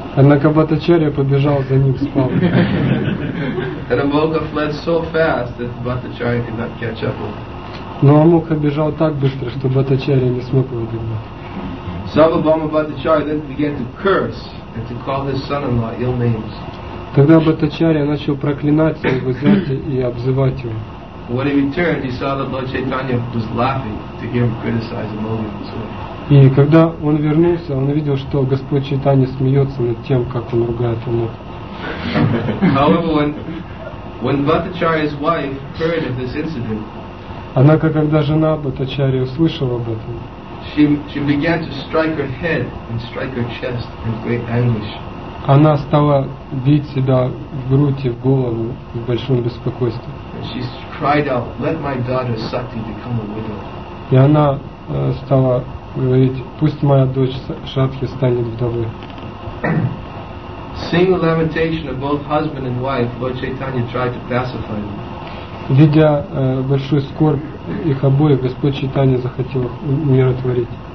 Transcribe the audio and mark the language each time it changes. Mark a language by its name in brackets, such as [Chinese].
[Russian] Однако Бхаттачарья побежал за ним с палкой. [English] And Amoga fled so fast that Bhattacharya could not catch up with him. [Russian] Но Амока бежал так быстро, что Бхаттачарья не смог его догнать. [English] Sarvabhauma Bhattacharya then began to curse and to call his son-in-law ill names. [Russian] Тогда Бхаттачарья начал проклинать своего зятя и обзывать его. [English] When he returned, he saw that Lord Chaitanya was laughing to hear him criticize Amoga. [Russian] И когда он вернулся, он увидел, что Господь Чайтанья смеется над тем, как он ругает Амоку. [English] However, when Bhattacharya's wife heard of this incident, [Russian] однако, когда жена Бхаттачарьи услышала об этом, [English] she began to strike her head and strike her chest in great anguish. [Russian] Она стала бить себя в грудь и в голову в большом беспокойстве. [English] And she cried out, "Let my daughter Sati become a widow." [Russian] И она стала говорить, "Пусть моя дочь Шатхи станет вдовой." [English] Seeing the lamentation of both husband and wife, Lord Chaitanya tried to pacify them. [Russian] Видя большую скорбь их обоих, Господь Чайтанья захотел умиротворить.